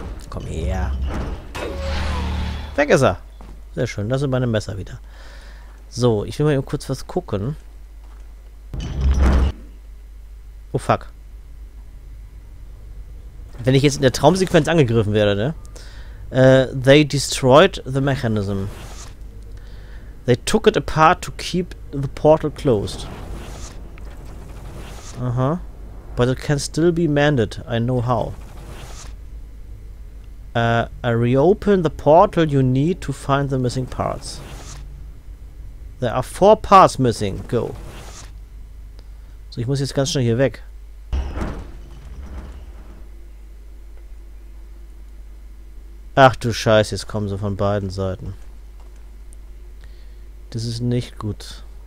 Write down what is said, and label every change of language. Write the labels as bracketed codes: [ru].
[de] Komm her. Weg ist er. Sehr schön, das sind meine Messer wieder. So, ich will mal eben kurz was gucken. [en] Oh, fuck. [de] Wenn ich jetzt in der Traumsequenz angegriffen werde, ne? [en] They destroyed the mechanism. They took it apart to keep the portal closed. Aha. But it can still be mended, I know how. I reopen the portal you need to find the missing parts. There are 4 parts missing. Go. [de] So, ich muss jetzt ganz schnell hier weg. Ach du Scheiße, jetzt kommen sie von beiden Seiten. Das ist nicht gut.